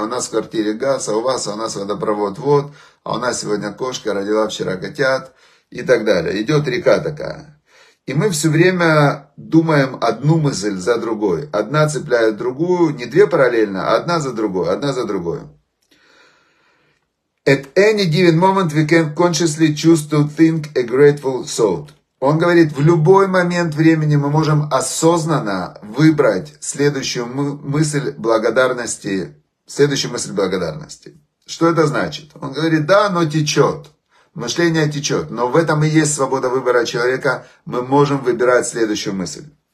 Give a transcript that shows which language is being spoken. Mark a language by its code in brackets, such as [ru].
[ru] У нас в квартире газ, а у вас, а у нас водопровод, вот. А у нас сегодня кошка родила вчера котят и так далее. Идет река такая. И мы все время думаем одну мысль за другой. Одна цепляет другую, не две параллельно, а одна за другой, одна за другой. [en] At any given moment we can consciously choose to think a grateful thought. [ru] Он говорит, в любой момент времени мы можем осознанно выбрать следующую мысль благодарности. Следующую мысль благодарности. Что это значит? Он говорит, да, оно течет. Мышление течет. Но в этом и есть свобода выбора человека. Мы можем выбирать следующую мысль.